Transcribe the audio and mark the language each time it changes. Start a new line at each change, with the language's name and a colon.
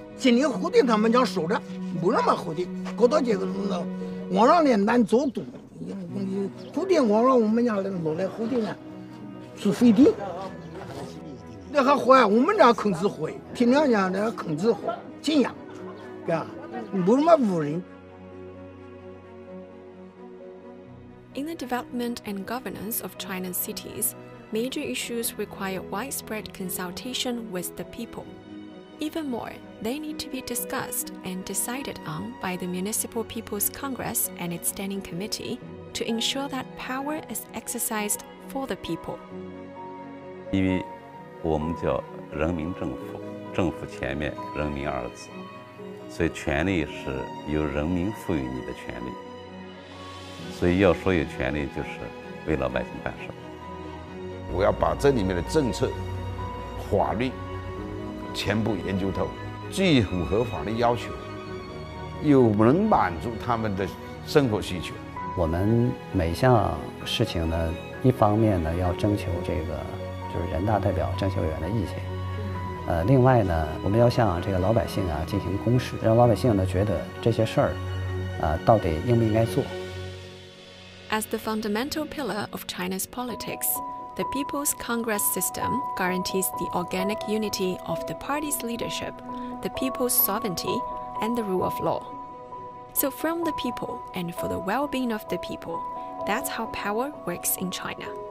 Chinese: 今年好点，他们讲收着，没那么好的。搞到这个那，往上的难走堵。昨天晚上我们家落来好点呢，是飞地，那还好啊。我们家坑子好，听娘讲那坑子好，静养，对吧？没什么污染。
English: In the development and governance of China's cities, major issues require widespread consultation with the people. Even more, they need to be discussed and decided on by the Municipal People's Congress and its Standing Committee. To ensure that power is exercised for the people.
Chinese: 因为我们叫人民政府，政府前面人民二字，所以权力是由人民赋予你的权力。所以要说有权力，就是为老百姓办事。我要把这里面的政策、法律全部研究透，既符合法律要求，又能满足他们的生活需求。我们每项事情呢，一方面呢要征求这个就是人大代表政协委员的意见，另外呢我们要向这个老百姓啊进行公示，让老百姓呢觉得这些事儿到底应不应该做。
English: As the fundamental pillar of China's politics, the People's Congress system guarantees the organic unity of the party's leadership, the people's sovereignty, and the rule of law. So from the people and for the well-being of the people, that's how power works in China.